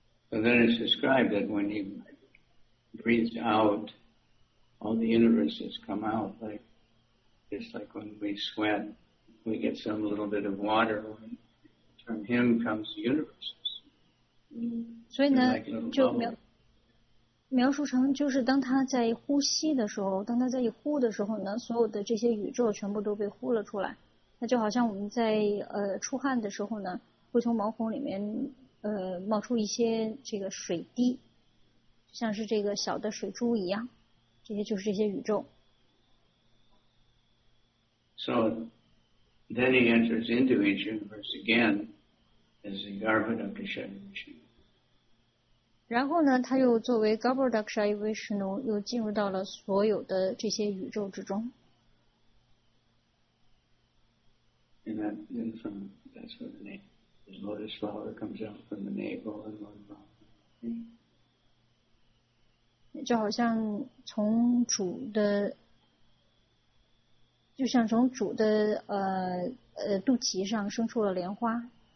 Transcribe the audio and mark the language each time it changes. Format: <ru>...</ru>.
<en>So then it's described that when he breathes out, all the universes come out, like just like when we sweat, we get some little bit of water. From him comes the universes.</en> <zh>所以呢，就描述成就是当他在呼吸的时候，当他在一呼的时候呢，所有的这些宇宙全部都被呼了出来。那就好像我们在出汗的时候呢，会从毛孔里面冒出一些这个水滴，就像是这个小的水珠一样，这些就是这些宇宙。</zh> <en>So. Then he enters into each universe again as the Garbhodaksha Vishnu.</en> <zh>然后呢，他又作为 Garbhodaksha Vishnu 又进入到了所有的这些宇宙之中。</zh> <en>And that, then from, that's where the name, the lotus flower comes out from the navel and lower abdomen.</en> <zh>就好像从主的，就像从主的肚脐上生出了莲花。</zh>